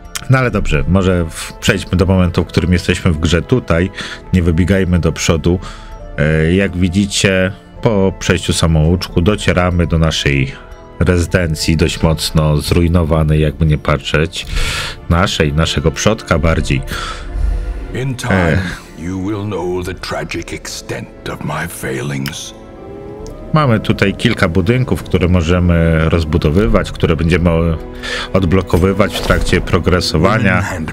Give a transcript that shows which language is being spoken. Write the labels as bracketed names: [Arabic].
[Polish] No ale dobrze, może przejdźmy do momentu, w którym jesteśmy w grze tutaj, nie wybiegajmy do przodu. Jak widzicie, po przejściu samouczku docieramy do naszej rezydencji, dość mocno zrujnowanej, jakby nie patrzeć, naszego przodka bardziej. [English] In time, you will know the tragic extent of my failings. [Polish] Mamy tutaj kilka budynków, które możemy rozbudowywać, które będziemy odblokowywać w trakcie progresowania.